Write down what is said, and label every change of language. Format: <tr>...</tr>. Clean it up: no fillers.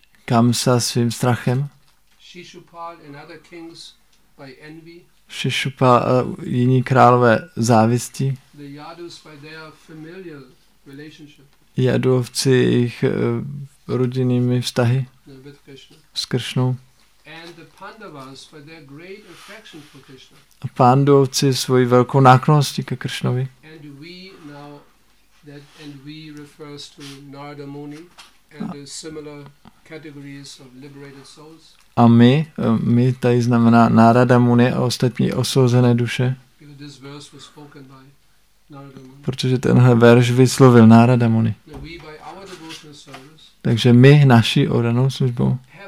<cs>Kamsa svým strachem.</cs> <en>Shishupal and other kings by envy.</en> <cs>Shishupal a jiní králové závistí.</cs> <en>The Yadus by their familial relationship.</en> <cs>Jadovci jejich rodinnými vztahy.</cs> <en>With Krishna.</en> <cs>S Kršnou.</cs> <en>And the Pandavas by their great affection for Krishna.</en> <cs>A Pandovci svojí velkou náklonnosti ke Kršnovi.</cs> <en>And we now that and we refers to Narada Muni and the similar categories of liberated souls.</en> <cs>A my tady znamená Narada Muni a ostatní osvobozené duše.</cs> <en>Because this verse was spoken by Narada Muni.</en> <cs>Protože tenhle verš vyslovil Narada Muni.</cs> <en>We by our devotional service.</en> <cs>Takže my naší oddanou službou.</cs>